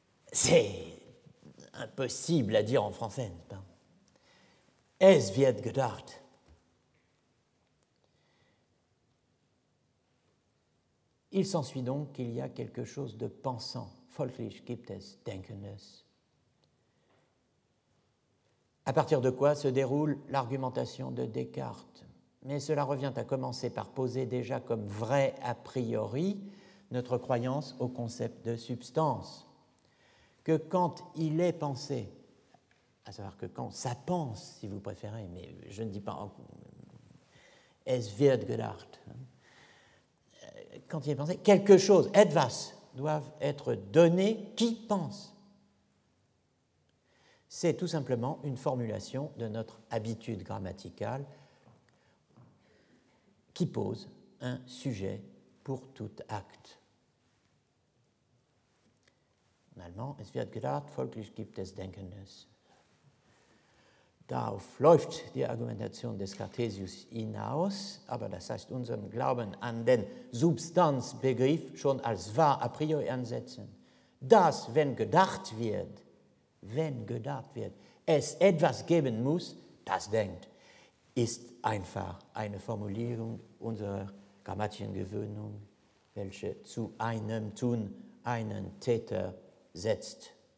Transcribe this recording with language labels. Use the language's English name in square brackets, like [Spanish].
[French] C'est impossible à dire en français, n'est-ce pas ? [German] Es wird gedacht. [French] Il s'ensuit donc qu'il y a quelque chose de pensant. [German] Folglich gibt es Denkendes. [French] À partir de quoi se déroule l'argumentation de Descartes. Mais cela revient à commencer par poser déjà comme vrai a priori notre croyance au concept de substance. Que quand il est pensé, à savoir que quand ça pense, si vous préférez, mais je ne dis pas [German] es wird gedacht. [French] Quand il est pensé, quelque chose, etwas, doivent être donnés qui pense. C'est tout simplement une formulation de notre habitude grammaticale qui pose un sujet pour tout acte. En allemand, [German] es wird gedacht, folglich gibt es Denkendes. Darauf läuft die Argumentation des Cartesius hinaus, aber das heißt, unseren Glauben an den Substanzbegriff schon als wahr a priori ansetzen, dass, wenn gedacht wird, es etwas geben muss, das denkt, ist einfach eine Formulierung unserer grammatischen Gewöhnung, welche zu einem Tun einen Täter setzt.